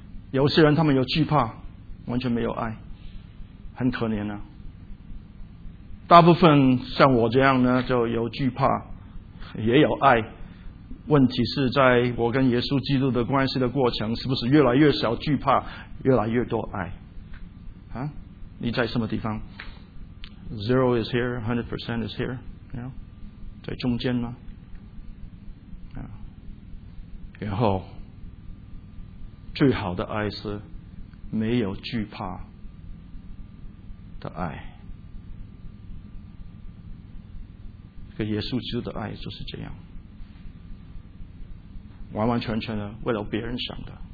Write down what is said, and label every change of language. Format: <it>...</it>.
<zh>有些人他们有惧怕，完全没有爱，很可怜啊。大部分像我这样呢，就有惧怕。也有爱，问题是在我跟耶稣基督的关系的过程，是不是越来越小惧怕，越来越多爱？啊，你在什么地方</zh> <en>？Zero is here, 100% is here， you know?</en> <zh>在中间吗？啊，然后最好的爱是没有惧怕的爱。这个耶稣基督的爱就是这样，完完全全的为了别人想的。</zh>